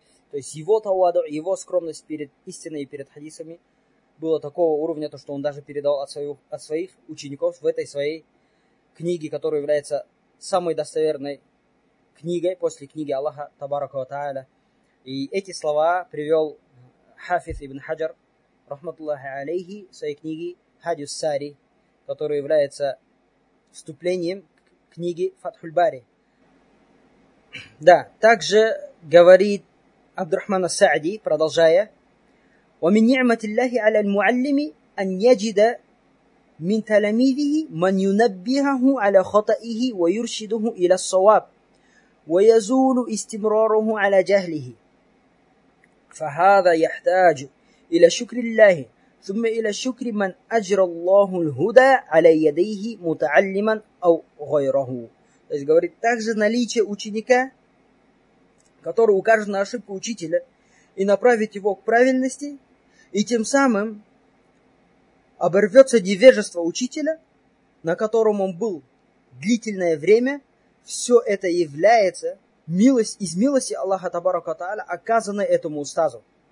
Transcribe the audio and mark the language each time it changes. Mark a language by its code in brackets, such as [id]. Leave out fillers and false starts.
[ru] То есть его тауаду, его скромность перед истиной и перед хадисами было такого уровня, то, что он даже передал от своих учеников в этой своей книге, которая является самой достоверной книгой после книги Аллаха Табарака ва Тааля. И эти слова привел Хафиз ибн Хаджар, рахматуллахи алейхи, в своей книге «Хадис Сари», которая является вступлением к книге «Фатхуль Бари». Да, также говорит Абдурахман ас-Саади, продолжая: [ar] ومن نعمة الله على المعلم أن يجد من تلاميذه من ينبهه على خطئه ويرشده إلى الصواب ويزول استمراره على جهله فهذا يحتاج إلى شكر الله ثم إلى شكر من أجر الله الهدى على يديه متعلما أو غيره. [ru] Говорит, также наличие ученика, который укажет на ошибку учителя и направит его к правильности, и тем самым оборвется невежество учителя, на котором он был длительное время, все это является милость из милости Аллаха Табарака Тааля, оказанной этому устазу.